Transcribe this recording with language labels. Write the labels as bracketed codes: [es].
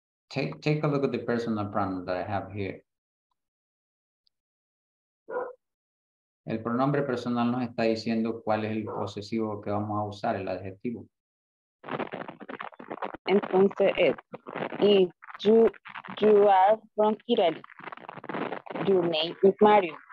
[en] Take a look at the personal pronoun that I have here. [es] El pronombre personal nos está diciendo cuál es el posesivo que vamos a usar, el adjetivo. Entonces es, [en] if you are from Italy, your name is Mario.